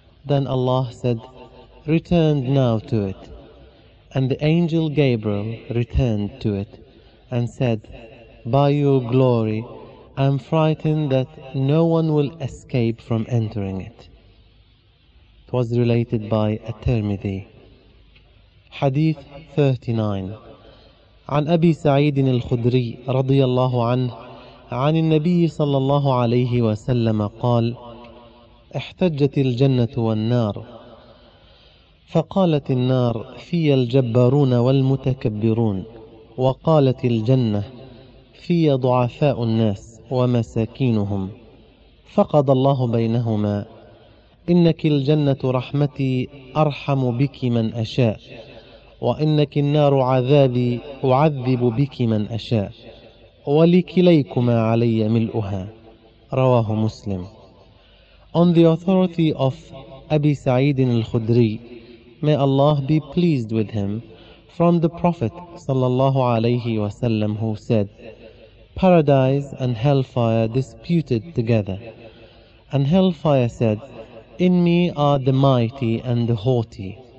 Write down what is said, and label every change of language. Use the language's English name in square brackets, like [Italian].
[English] Then Allah said, "Return now to it." And the angel Gabriel returned to it and said, "By your glory, I am frightened that no one will escape from entering it." It was related by At-Tirmidhi. Hadith 39. [Arabic] عن أبي سعيد الخدري رضي الله عنه عن النبي صلى الله عليه وسلم قال احتجت الجنة والنار فقالت النار في الجبارون والمتكبرون وقالت الجنة في ضعفاء الناس ومساكينهم فقضى الله بينهما إنك الجنة رحمتي أرحم بك من أشاء وإنك النار عذابي أعذب بك من أشاء ولكليكما علي ملؤها رواه مسلم. [English] On the authority of Abi Sa'id al-Khudri, may Allah be pleased with him, from the Prophet sallallahu alayhi wa sallam, who said, "Paradise and hellfire disputed together, and hellfire said, 'In me are the mighty and the haughty.'